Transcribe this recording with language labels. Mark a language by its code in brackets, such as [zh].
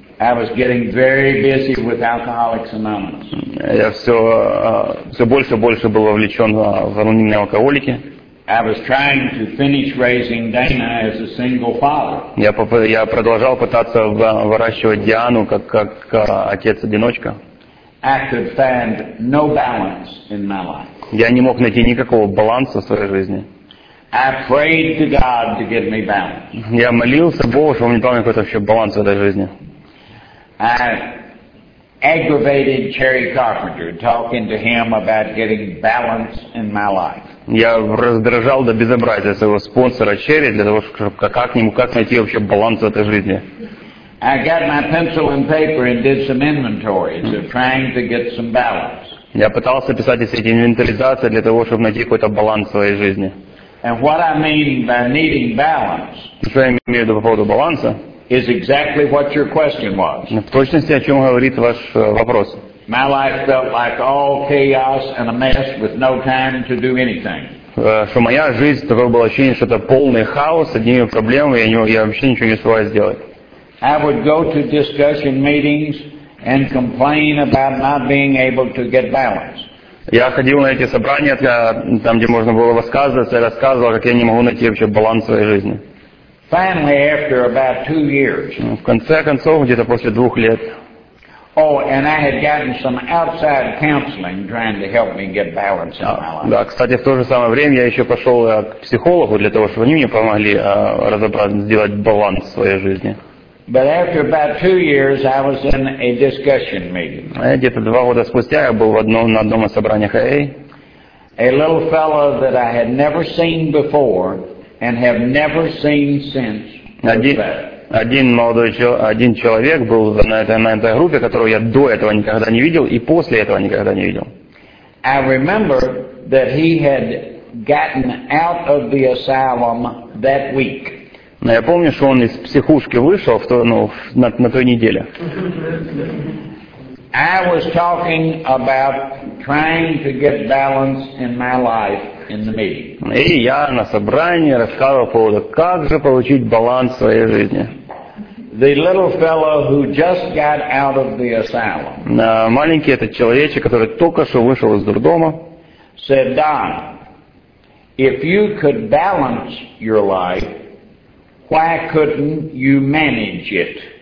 [en] I was getting very busy with Alcoholics Anonymous. [ru] Я все больше и больше был вовлечен в анонимные алкоголики. [en] I was trying to finish raising Dana as a single father. [ru] Я продолжал пытаться выращивать Диану как отец-одиночка. [en] I could find no balance in my life. [ru] Я не мог найти никакого баланса в своей жизни. [en] I prayed to God to give me balance. [ru] Я молился Богу, чтобы он мне дал какой-то вообще баланс в этой жизни. [en] I aggravated Cherry Carpenter, talking to him about getting balance in my life. [ru] Я раздражал до безобразия своего спонсора Cherry для того, чтобы как найти вообще баланс в этой жизни. [en] I got my pencil and paper and did some inventory, so trying to get some balance. [ru] Я пытался писать все эти инвентаризации для того, чтобы найти какой-то баланс в своей жизни. [en] And what I mean by needing balance. [ru] Что я имею в виду по поводу баланса? [en] Is exactly what your question was. [ru] В точности, о чем говорит ваш вопрос. [en] My life felt like all chaos and a mess with no time to do anything. [ru] Что моя жизнь, такое было ощущение, что это полный хаос, одни проблемы, и я вообще ничего не успеваю сделать. [en] I would go to discussion meetings and complain about not being able to get balance. [ru] Я ходил на эти собрания, там, где можно было высказываться, и рассказывал, как я не могу найти вообще баланс в своей жизни. [en] Finally, after about 2 years. [ru] В конце концов, где-то после 2 лет. [en] Oh, and I had gotten some outside counseling trying to help me get balance in my life. [ru] Да, кстати, в то же самое время я еще пошел к психологу для того, чтобы они мне помогли разобраться, сделать баланс в своей жизни. [en] But after about 2 years, I was in a discussion meeting. [ru] Где-то 2 года спустя я был на одном из собраний AA. [en] A little fellow that I had never seen before. And have never seen since. [ru] Один человек был на этой группе, которого я до этого никогда не видел и после этого никогда не видел. [en] I remember that he had gotten out of the asylum that week. [ru] Но я помню, что он из психушки вышел на той неделе. [en] I was talking about trying to get balance in my life. [ru] И я на собрании рассказывал по поводу, как же получить баланс в своей жизни. [en] The little fellow who just got out of the asylum. [ru] Маленький этот человечек, который только что вышел из дурдома. [en] Said Don, if you could balance your life, why couldn't you manage it?